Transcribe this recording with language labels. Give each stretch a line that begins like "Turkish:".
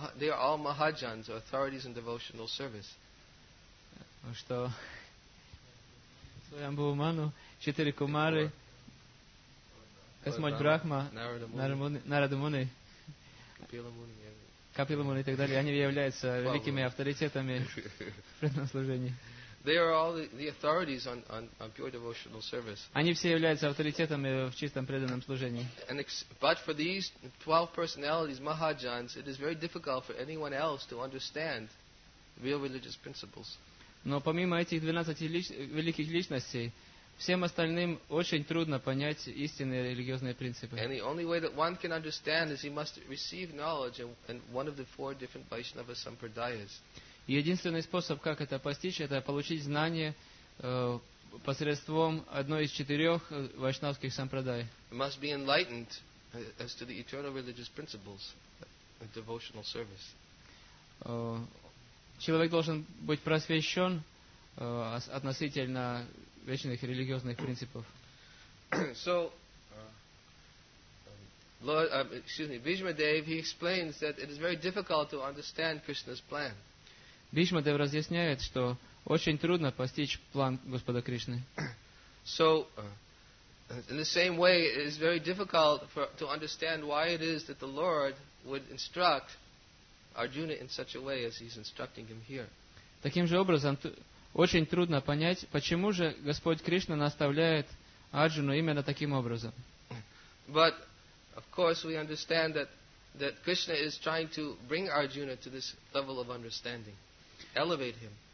English: They are all Mahajans, or authorities in devotional service.
Russian: Что Свайамбху Ману, четыре Кумары, Космодь Брахма, Нарада Муни, Капила Муни и так далее. Они являются великими авторитетами в этом служении.
English: They are all the authorities on pure devotional service.
Russian: Они все являются авторитетами в чистом преданном служении.
English: But for these 12 personalities, Mahajans, it is very difficult for anyone else to understand real religious principles.
Russian: Но помимо этих 12 великих личностей, всем остальным очень трудно понять истинные религиозные принципы.
English: And the only way that one can understand is he must receive knowledge in one of the four different Vaishnava Sampradayas.
Russian: Единственный способ, как это постичь, это получить знание посредством одной из четырех вайшнавских сампрадай.
English: It must be enlightened as to the eternal religious principles of devotional service.
Russian: Человек должен быть просвещен относительно вечных религиозных принципов.
English: So, Bhishma Dev, he explains that it is very difficult to understand Krishna's plan.
Russian: Бхишма Дев разъясняет, что очень трудно постичь план Господа Кришны.
English: So, in the same way, it is very difficult to understand why it is that the Lord would instruct Arjuna in such a way as he's instructing him here.
Russian: Таким же образом, очень трудно понять, почему же Господь Кришна наставляет Арджуну именно таким образом.
English: But of course we understand that Krishna is trying to bring Arjuna to this level of understanding, elevate him.